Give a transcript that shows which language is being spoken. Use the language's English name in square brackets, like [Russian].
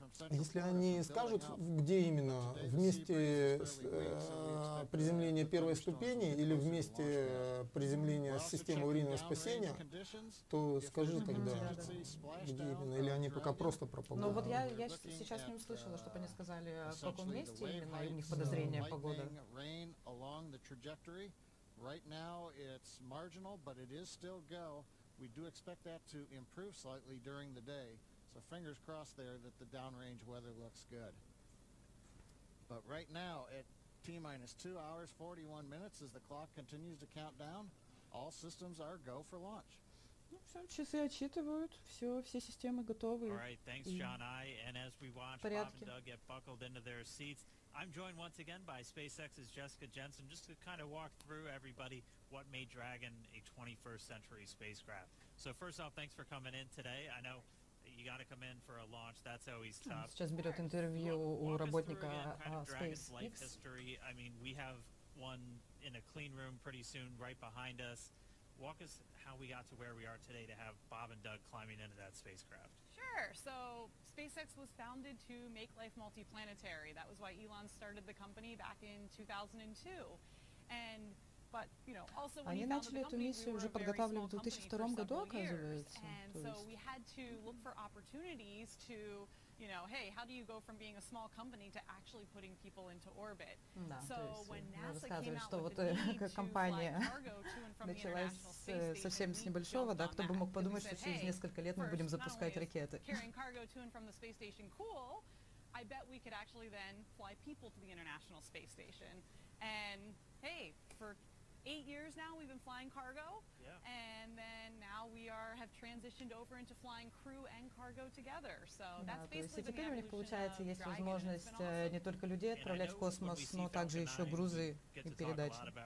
[Russian] Если они скажут, где именно, в месте приземления первой ступени или в месте приземления системы аварийного спасения, то скажи тогда, где именно, или они пока просто про погоду. Ну вот я сейчас не услышала, чтобы они сказали, в каком месте именно у них подозрение погоды. [English] Right now it's marginal, but it is still go. We do expect that to improve slightly during the day. So fingers crossed there that the downrange weather looks good. But right now at T-minus 2 hours 41 minutes as the clock continues to count down, all systems are go for launch. [Russian] Часы отсчитывают, все системы готовы. [English] All right, thanks, John. And as we watch Bob and Doug get buckled into their seats, I'm joined once again by SpaceX's Jessica Jensen, just to kind of walk through everybody what made Dragon a 21st century spacecraft. So first off, thanks for coming in today. I know you got to come in for a launch. That's always tough. [Russian] Сейчас берет интервью у работника SpaceX. [English] Life history. I mean, we have one in a clean room pretty soon, right behind us. Walk us how we got to where we are today to have Bob and Doug climbing into that spacecraft. Sure. So SpaceX was founded to make life multiplanetary. That was why Elon started the company back in 2002. And but you know, also when [Russian] они начали эту миссию уже подготавливали в 2002 году, оказывается. [English] And so we had to look for opportunities to, you know, hey, how do you go from being a small company to actually putting people into orbit? [Russian] Да, [English] so when NASA came out with the need to fly [Russian] компания началась совсем с небольшого, да, кто бы мог подумать, что через несколько лет мы будем запускать ракеты. [English] Carrying cargo to and from the space station, cool. I bet we could actually then fly people to the International Space Station. And hey, for 8 years now we've been flying cargo. Yeah. And then now we have transitioned over into flying crew and cargo together. So that's basically [Russian] the теперь у них получается есть возможность не только людей отправлять в космос, но также еще грузы и передачи.